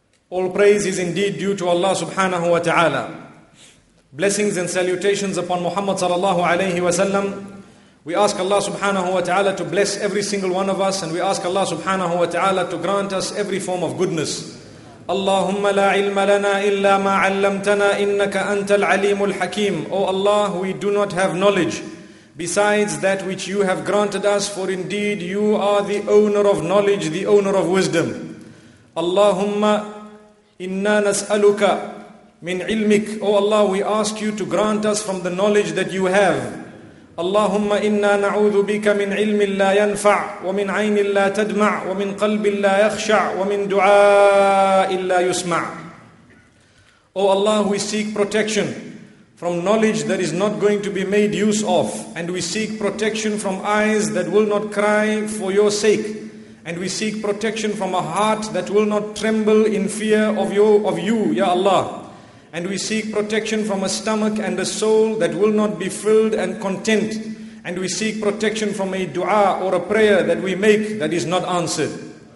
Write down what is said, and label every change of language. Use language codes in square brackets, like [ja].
[en] All praise is indeed due to Allah subhanahu wa ta'ala. Blessings and salutations upon Muhammad sallallahu alayhi wa sallam. We ask Allah subhanahu wa ta'ala to bless every single one of us, and we ask Allah subhanahu wa ta'ala to grant us every form of goodness. [ar] اللهم لا علم لنا إلا ما علمتنا إنك أنت العليم الحكيم. [en] O Allah, we do not have knowledge besides that which you have granted us, for indeed you are the owner of knowledge, the owner of wisdom. [ar] اللهم إنا نسألك من علمك. [en] O Allah, we ask you to grant us from the knowledge that you have. [ar] اللهم إنا نعوذ بك من علم لا ينفع ومن عين لا تدمع ومن قلب لا يخشع ومن دعاء لا يسمع. [en] O Allah, we seek protection from knowledge that is not going to be made use of, and we seek protection from eyes that will not cry for your sake, and we seek protection from a heart that will not tremble in fear of you, Ya Allah, and we seek protection from a stomach and a soul that will not be filled and content, and we seek protection from a dua or a prayer that we make that is not answered.